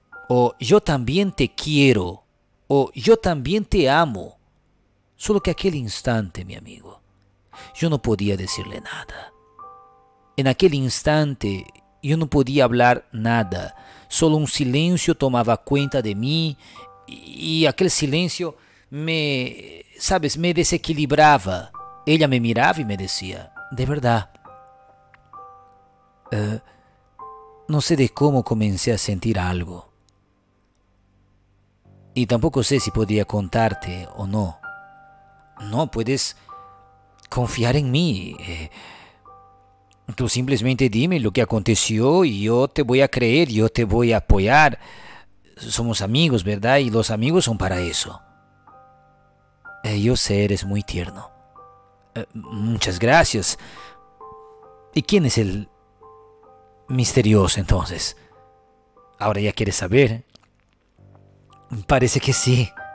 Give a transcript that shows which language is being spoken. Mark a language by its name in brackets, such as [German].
[Spanish] O yo también te quiero. O yo también te amo. Solo que aquel instante, mi amigo, yo no podía decirle nada. En aquel instante, yo no podía hablar nada. Solo un silencio tomaba cuenta de mí [Portuguese] E aquele silêncio me, sabes, me desequilibrava. Ela me mirava e me dizia: "De verdade." Não sei de como comecei a sentir algo. E tampouco sei se podia contar-te ou não. Não, podes confiar em mim. Tu simplesmente dime o que aconteceu e eu te vou a creer, eu te vou a apoiar. [Spanish] Somos amigos, ¿verdad? Y los amigos son para eso. Yo sé, eres muy tierno. Muchas gracias. ¿Y quién es el misterioso entonces? ¿Ahora ya quieres saber? Parece que sí.